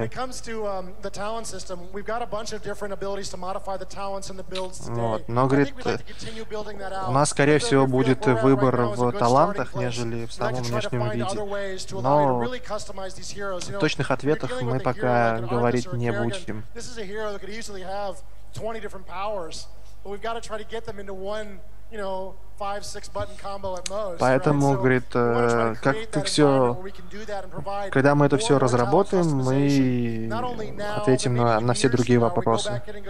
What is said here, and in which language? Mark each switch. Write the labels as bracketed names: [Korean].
[English] When it comes to the talent system, we've got a bunch of different abilities to modify the talents and the builds today. [Russian] Но, говорит, у нас, скорее всего, будет выбор в талантах, нежели в самом внешнем виде. Но в точных ответах мы пока говорить не будем. [English] Easily have 20 different powers, but we've got to try to get them into one, you know, 5-6 button combo at most. [Russian] Поэтому, [English] right? [Russian] So, говорит, как все, когда мы это все разработаем, мы ответим на все другие вопросы.